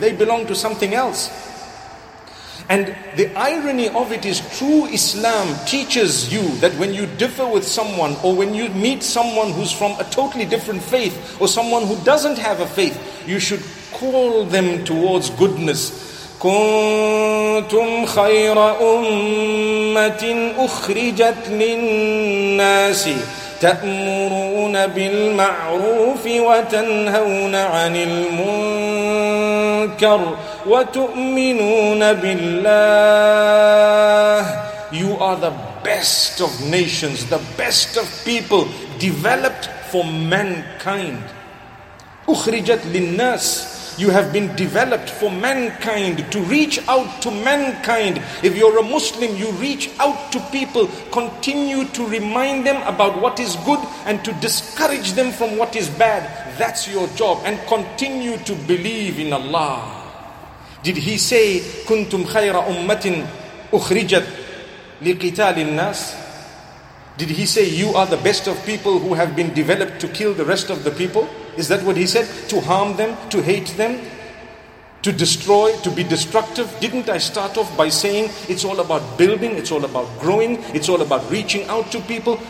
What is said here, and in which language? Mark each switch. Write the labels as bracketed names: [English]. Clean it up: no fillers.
[English] They belong to something else. And the irony of it is, true Islam teaches you that when you differ with someone, or when you meet someone who's from a totally different faith, or someone who doesn't have a faith, you should call them towards goodness. [Arabic] كنتم خير أمة أخرجت للناس تأمرون بالمعروف وتنهون عن المنكر وتؤمنون بالله. [English] You are the best of nations, the best of people developed for mankind. [Arabic] أخرجت للناس. [English] You have been developed for mankind, to reach out to mankind. If you're a Muslim, you reach out to people, continue to remind them about what is good and to discourage them from what is bad. That's your job. And continue to believe in Allah. Did he say, [Arabic] كنتم خير أمة أخرجت لقتال الناس? [English] Did he say, you are the best of people who have been developed to kill the rest of the people? Is that what he said? To harm them, to hate them, to destroy, to be destructive? Didn't I start off by saying it's all about building, it's all about growing, it's all about reaching out to people?